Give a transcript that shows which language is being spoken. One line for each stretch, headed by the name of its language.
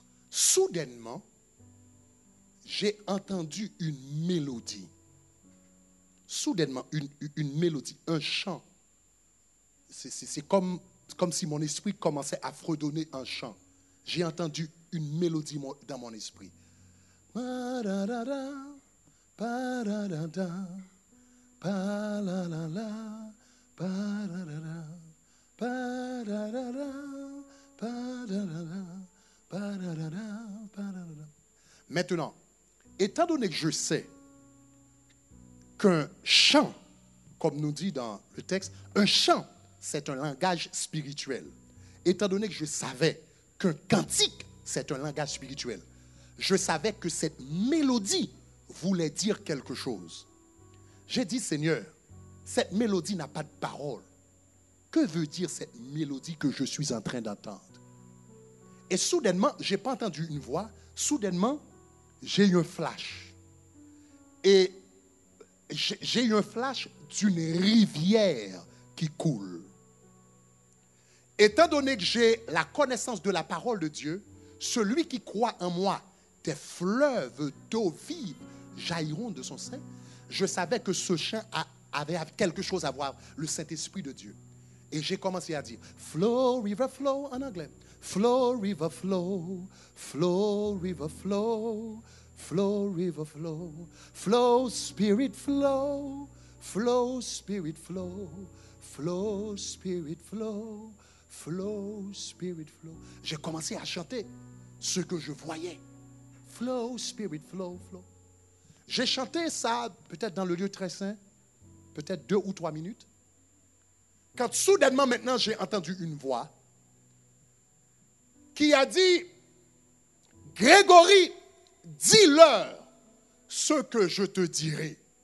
French: Soudainement, j'ai entendu une mélodie. Soudainement, une mélodie, un chant. C'est comme si mon esprit commençait à fredonner un chant. J'ai entendu une mélodie dans mon esprit. Ba-da-da-da, ba-da-da-da, ba-la-la-la, ba-da-da-da, ba-da-da-da, ba-da-da-da, ba-da-da-da, ba-da-da-da. Maintenant, étant donné que je sais qu'un chant, comme nous dit dans le texte, un chant, c'est un langage spirituel. Étant donné que je savais qu'un cantique, c'est un langage spirituel, je savais que cette mélodie voulait dire quelque chose. J'ai dit, Seigneur, cette mélodie n'a pas de parole. Que veut dire cette mélodie que je suis en train d'entendre? Et soudainement, je n'ai pas entendu une voix, soudainement, j'ai eu un flash. Et j'ai eu un flash d'une rivière qui coule. Étant donné que j'ai la connaissance de la parole de Dieu, celui qui croit en moi, des fleuves d'eau vive jailliront de son sein. Je savais que ce chant avait quelque chose à voir, le Saint-Esprit de Dieu. Et j'ai commencé à dire,
English: flow, river, flow,
French: en anglais.
English: Flow, river, flow, flow, river, flow, flow, river, flow, flow, spirit, flow, flow, spirit, flow, flow, spirit, flow, flow, spirit, flow.
French: J'ai commencé à chanter ce que je voyais.
English: Flow, spirit, flow, flow.
French: J'ai chanté ça peut-être dans le lieu très saint, peut-être 2 ou 3 minutes. Quand soudainement maintenant j'ai entendu une voix qui a dit, Grégory, dis-leur ce que je te dirai.